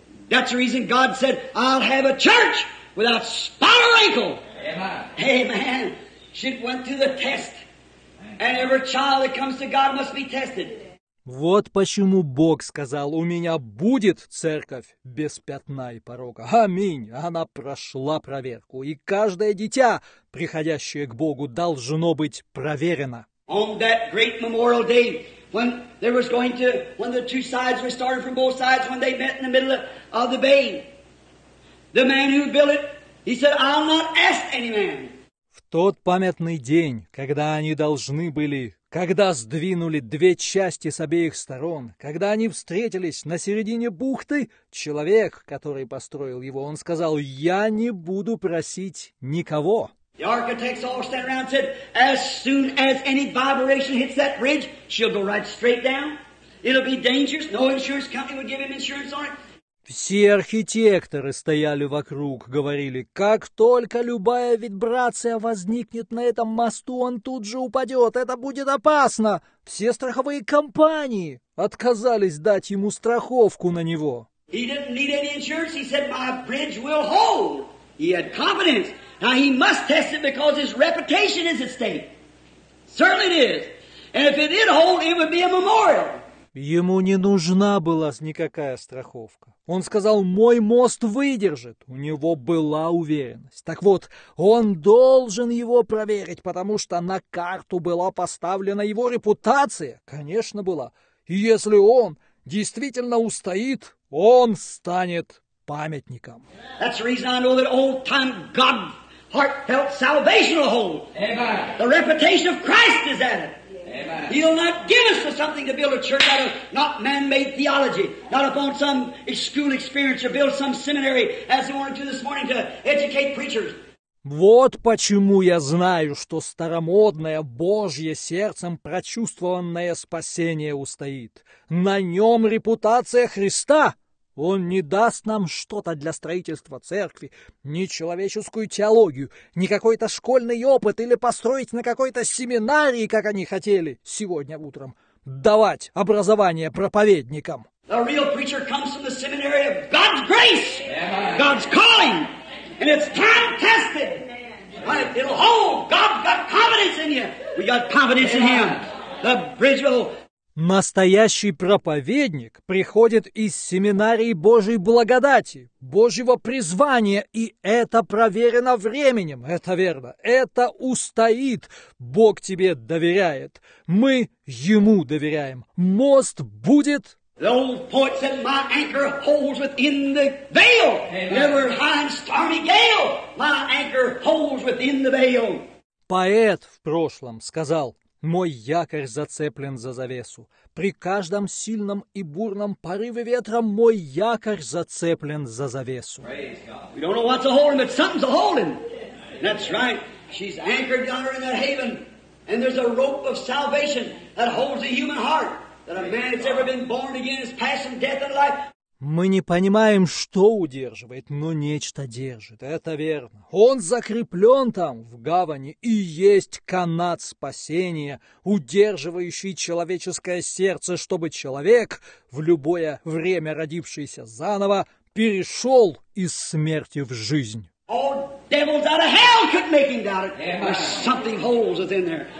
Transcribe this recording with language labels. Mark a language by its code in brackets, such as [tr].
[en] That's the reason God said, I'll have a church without spot or wrinkle. Amen. She went through the test. And every child that comes to God must be tested. [ru] Вот почему Бог сказал: «У меня будет церковь без пятна и порока». Аминь! Она прошла проверку. И каждое дитя, приходящее к Богу, должно быть проверено. [en] On that great memorial day, when there was going to, when the two sides were started from both sides, when they met in the middle of the bay, the man who built it, he said, I'll not ask any man. [ru] В тот памятный день, когда они должны были, когда сдвинули две части с обеих сторон, когда они встретились на середине бухты, человек, который построил его, он сказал: «Я не буду просить никого». [en] The architects all stand around and said, as soon as any vibration hits that bridge, she'll go right straight down. It'll be dangerous. No insurance company would give him insurance on it. [ru] Все архитекторы стояли вокруг, говорили: как только любая вибрация возникнет на этом мосту, он тут же упадет, это будет опасно. Все страховые компании отказались дать ему страховку на него. [en] He didn't need any insurance. He said, my bridge will hold. He had confidence. Now he must test it because his reputation is at stake. Certainly it is. And if it did hold, it would be a memorial. [ru] Ему не нужна была никакая страховка. Он сказал: мой мост выдержит. У него была уверенность. Так вот, он должен его проверить, потому что на карту была поставлена его репутация. Конечно, была. И если он действительно устоит, он станет памятником. [en] That's the reason I know that old time God heartfelt salvation will hold. Amen. The reputation of Christ is at it. Amen. He'll not give us something to build a church out of, not man-made theology, not upon some school experience, or build some seminary, as they wanted to this morning, to educate preachers. [ru] Вот почему я знаю, что старомодное, Божье сердцем прочувствованное спасение устоит. На нем репутация Христа. Он не даст нам что-то для строительства церкви, ни человеческую теологию, ни какой-то школьный опыт или построить на какой-то семинарии, как они хотели сегодня утром, давать образование проповедникам. [en] The real preacher comes from the seminary of God's grace, God's calling, and it's time tested. It'll hold. God's got confidence in you. We got confidence in Him. The bridge will. [ru] Настоящий проповедник приходит из семинарии Божьей благодати, Божьего призвания, и это проверено временем, это верно, это устоит, Бог тебе доверяет, мы Ему доверяем, мост будет... [en] The old point that my anchor holds within the veil, never mind stormy gale, my anchor holds within the veil. [ru] Поэт в прошлом сказал... Мой якорь зацеплен за завесу. При каждом сильном и бурном порыве ветра мой якорь зацеплен за завесу. [en] We don't know what's a holding, but something's a holding. That's right. She's anchored down in that haven. And there's a rope of salvation that holds the human heart. That a man that's ever been born again is passing death and life. [ru] Мы не понимаем, что удерживает, но нечто держит. Это верно. Он закреплен там, в гавани, и есть канат спасения, удерживающий человеческое сердце, чтобы человек, в любое время родившийся заново, перешел из смерти в жизнь. [en] All devils out of hell could make him doubt it. Amen. Something holds within there.